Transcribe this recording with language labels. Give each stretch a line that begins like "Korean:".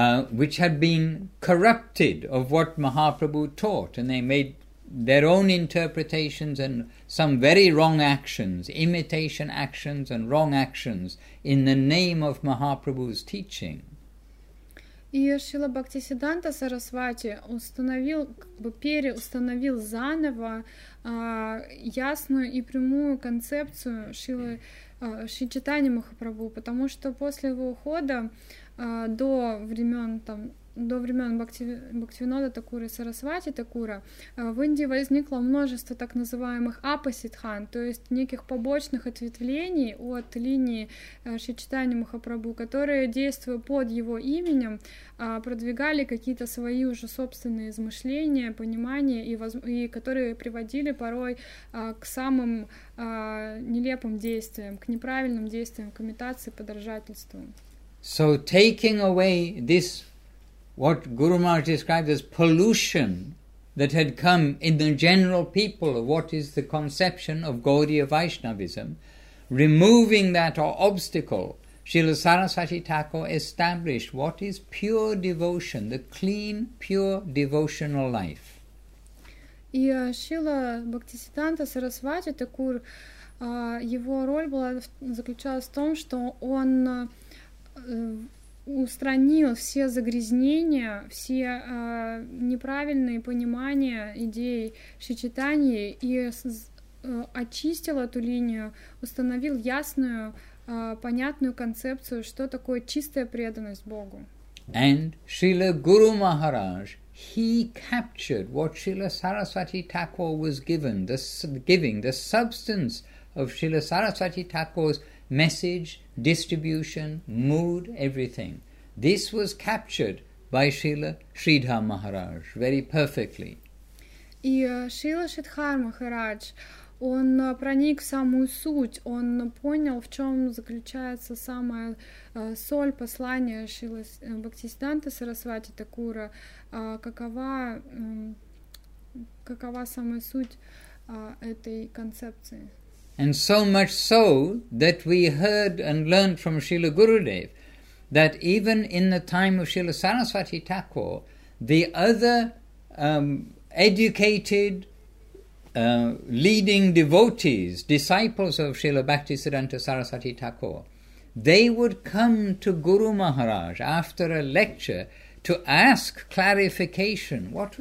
English: which had been corrupted of what Mahaprabhu taught, and they made their own interpretations and some very wrong actions, imitation actions and wrong actions in the name of Mahaprabhu's teaching.
Russian: И Шрила Бхактисиддханта Сарасвати переустановил заново ясную и прямую концепцию Шри Чайтанья Махапрабху, потому что после его ухода до времен до времен Бхактивинода Такура и Сарасвати Такура в Индии возникло множество так называемых апасидхан, то есть неких побочных ответвлений от линии Шри Чайтанья Махапрабху, которые, действуя под его именем, продвигали какие-то свои уже собственные измышления, понимания, и которые приводили порой к самым нелепым действиям, к неправильным действиям, к имитации, подражательству.
English: So taking away this, what Guru Maharaj described as pollution that had come in the general people of what is the conception of Gaudiya Vaishnavism, removing that obstacle, Srila Sarasvati Thakur established what is pure devotion, the clean, pure devotional life.
Russian: И Шрила Бхактисиддханта Сарасвати Такур, его роль была, заключалась в том, что он устранил все загрязнения, все неправильные понимания идей Шри Чайтаньи и очистил эту линию, установил ясную, понятную концепцию, что такое чистая преданность Богу.
English: And Srila Guru Maharaj, he captured what Srila Sarasvati Thakur was given, the substance of Srila Sarasvati Thakur's message, distribution, mood, everything. This was captured by Srila Sridhar Maharaj very perfectly.
Russian: И Шрила Шридхар Махарадж, он проник в самую суть, он понял, в чем заключается самая соль послания Шрила Бхактисиддханта Сарасвати Такура, какова самая суть этой концепции.
English: And so much so that we heard and learned from Srila Gurudev that even in the time of Srila Sarasvati Thakur, the other educated leading devotees, disciples of Srila Bhaktisiddhanta Sarasvati Thakur, they would come to Guru Maharaj after a lecture to ask clarification.